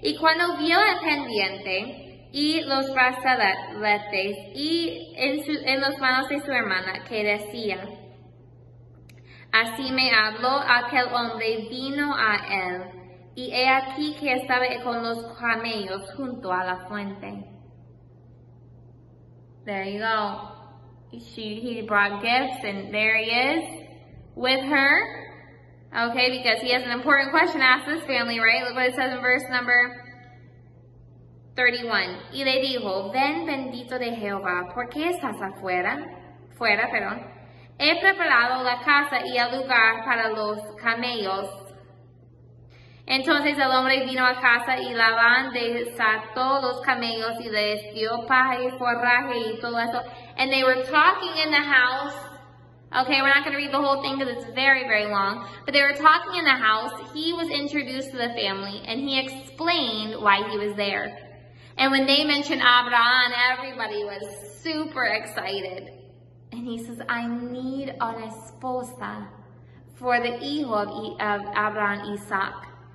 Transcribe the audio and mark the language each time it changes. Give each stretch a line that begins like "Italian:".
Spanish: Y cuando vio el pendiente y los brazaletes y en las manos de su hermana, que decía, así me habló aquel hombre, vino a él. Y he aquí que estaba con los camellos junto a la fuente.
English: There you go. He brought gifts and there he is with her. Okay, because he has an important question to ask this family, right? Look what it says in verse number 31.
Spanish: Y le dijo, ven bendito de Jehová, ¿por qué estás afuera? Fuera, perdón. He preparado la casa y el lugar para los camellos. Entonces el hombre vino a casa y Labán desató los camellos y les dio paja y forraje y todo eso.
English: And they were talking in the house. Okay, we're not going to read the whole thing because it's very, very long. But they were talking in the house. He was introduced to the family and he explained why he was there. And when they mentioned Abraham, everybody was super excited. And he says, I need an
Spanish: esposa
English: for the
Spanish: hijo
English: of Abraham Isaac.